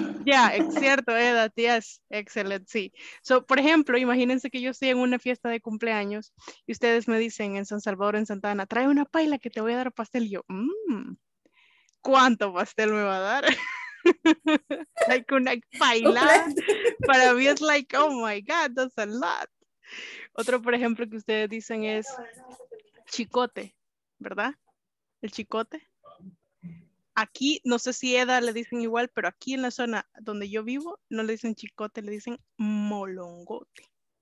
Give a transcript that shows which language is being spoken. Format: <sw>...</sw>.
<es>Ya,</es> <en>yeah,</en> <es>es cierto, Eda,</es> <en>yes, excellent,</en> <es>sí. So, por ejemplo, imagínense que yo estoy en una fiesta de cumpleaños y ustedes me dicen en San Salvador, en Santa Ana, trae una paila que te voy a dar pastel. Y yo, ¿cuánto pastel me va a dar?</es> <en>Like</en> <es>una pailada. Para mí es</es> <en>like, oh my God, that's a lot.</en> <es>Otro, por ejemplo, que ustedes dicen es chicote, ¿verdad? El chicote. Aquí, no sé si Eda le dicen igual, pero aquí en la zona donde yo vivo, no le dicen chicote, le dicen molongote.</es>